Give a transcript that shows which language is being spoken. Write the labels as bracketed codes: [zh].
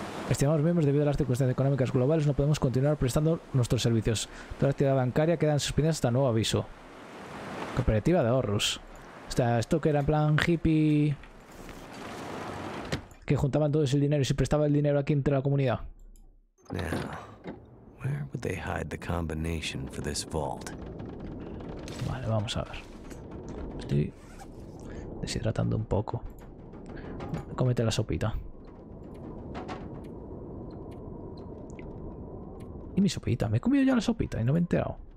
[es] Estimados miembros, debido a las circunstancias económicas globales, no podemos continuar prestando nuestros servicios. Toda actividad bancaria queda suspendida hasta nuevo aviso. Cooperativa de ahorros. O sea, esto que era en plan hippie. Que juntaban todo ese dinero y se prestaba el dinero aquí entre la comunidad. [en] Now, where would they hide the combination for this vault? [es] Vale, vamos a ver. Estoy deshidratando un poco. Cómete la sopita. ¿Y mi sopita? Me he comido ya la sopita y no me he enterado.